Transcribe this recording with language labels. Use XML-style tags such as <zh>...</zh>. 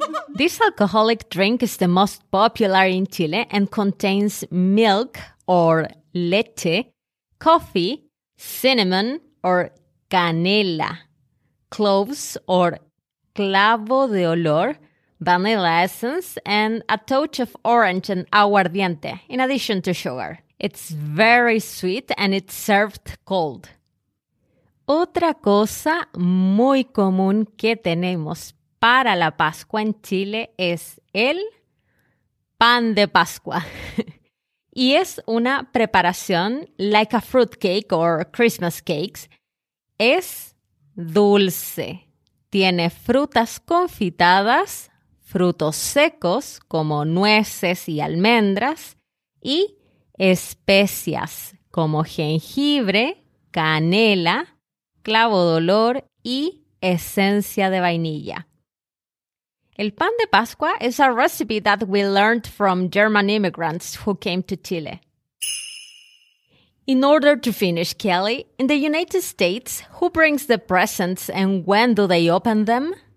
<en>This alcoholic drink is the most popular in Chile and contains milk or leche, coffee, cinnamon or canela, cloves or clavo de olor, vanilla essence, and a touch of orange and aguardiente, in addition to sugar. It's very sweet and it's served cold.</en> <es>Otra cosa muy común que tenemos para la Pascua en Chile es el pan de Pascua. Y es una preparación</es> <en>like a fruitcake or Christmas cakes.</en> <es>Es dulce. Tiene frutas confitadas, frutos secos como nueces y almendras y especias como jengibre, canela, clavo de olor y esencia de vainilla.</es> <en>El pan de Pascua is a recipe that we learned from German immigrants who came to Chile. In order to finish, Kelly, in the United States, who brings the presents and when do they open them?</en>